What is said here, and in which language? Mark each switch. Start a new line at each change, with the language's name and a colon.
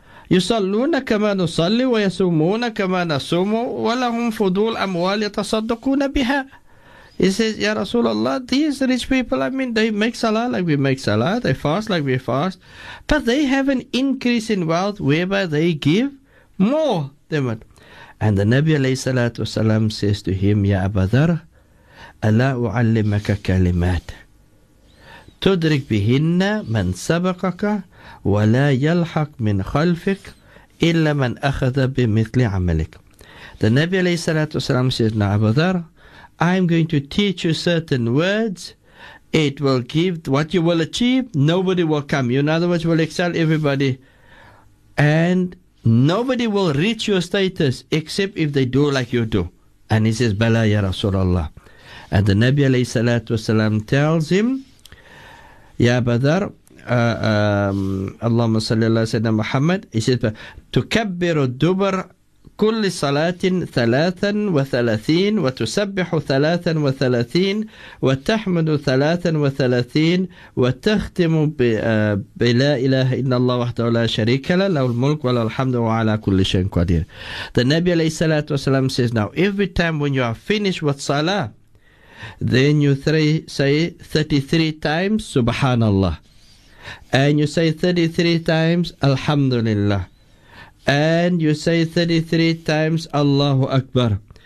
Arabic: يُصَلُّونَ كَمَا نُصَلِّ وَيَسُومُونَ كَمَا نَسُومُ وَلَهُمْ فُضُولَ أَمْوَالِ يَتَصَدُّقُونَ بِهَا.
English: He says, Ya Rasulullah, these rich people, I mean, they make salah like we make salah, they fast like we fast, but they have an increase in wealth whereby they give more than what. And the Nabi alayhi salatu wasalam says to him, Ya Abu Dharr,
Arabic: أَلَا أُعَلِّمَكَ كَلِمَاتٍ تدرك بهن من سبقك ولا يلحق من خلفك إلا من أخذ بمثل عملك.
English: The Nabi alayhi salatu wasalam says, Now Abu Dharr, I'm going to teach you certain words. It will give what you will achieve. Nobody will come. You, in other words, will excel everybody. And nobody will reach your status except if they do like you do. And he says,
Arabic: Bala ya Rasulullah.
English: And the Nabi alayhi salatu wasalam tells him, Ya Abu Dharr, Allahumma salli ala Sayyidina Muhammad, he says,
Arabic: تُكَبِّرُ الدُّبَرْ كُلِّ صَلَاةٍ ثَلَاثًا وَثَلَاثِينَ وَتُسَبِّحُ ثَلَاثًا وَثَلَاثِينَ وَتَحْمُدُ ثَلَاثًا وَثَلَاثِينَ وَتَخْتِمُ بِلَا إِلَهَ إِنَّ اللَّهَ وَحْدَهُ لَا شَرِيكَ لَهُ لَهُ الْمُلْكُ وَلَهُ الْحَمْدُ وَعَلَى كُلِّ شَيْءٍ قَدِيرٌ.
English: The Nabi alayhi salatu wasalam says, now every time when you are finished with salah, then you say 33 times Subhanallah, and you say 33 times Alhamdulillah, and you say 33 times Allahu Akbar.